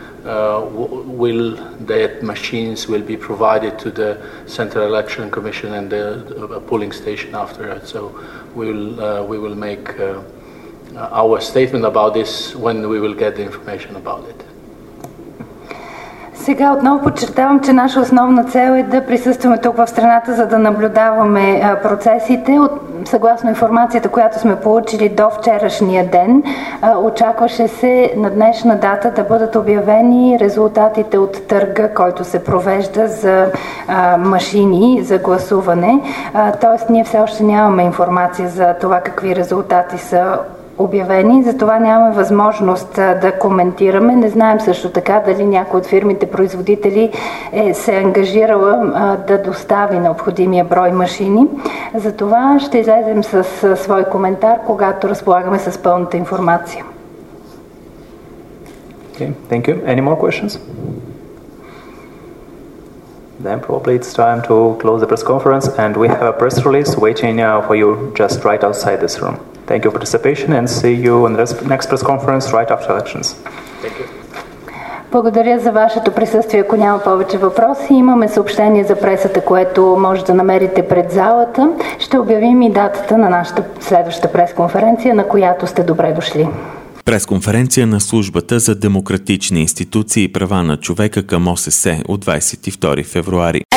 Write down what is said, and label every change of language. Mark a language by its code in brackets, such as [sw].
[en] Will that machines will be provided to the Central Election Commission and the polling station after that. So we will make our statement about this when we will get the information about it. [bg] Сега отново подчертавам, че наша основна цел е да присъстваме тук в страната, за да наблюдаваме процесите. Съгласно информацията, която сме получили до вчерашния ден, очакваше се на днешна дата да бъдат обявени резултатите от търга, който се провежда за машини, за гласуване. Тоест, ние все още нямаме информация за това какви резултати са обявени. Затова нямаме възможност да коментираме. Не знаем също така дали някой от фирмите производители се е ангажирала да достави необходимия брой машини. Затова ще излезем с свой коментар, когато разполагаме с пълната информация. [en] Okay, thank you. Any more questions? Then probably it's time to close the press conference and we have a press release waiting for you just right outside this room. Thank you for participation and see you in the next press conference right after elections. Thank you. [bg] Благодаря за вашето присъствие. Ако няма повече въпроси, имаме съобщение за пресата, което може да намерите пред залата. Ще обявим и датата на нашата следваща пресконференция, на която сте добре дошли. Пресконференция на Службата за демократични институции и права на човека към ОССЕ от 22 февруари.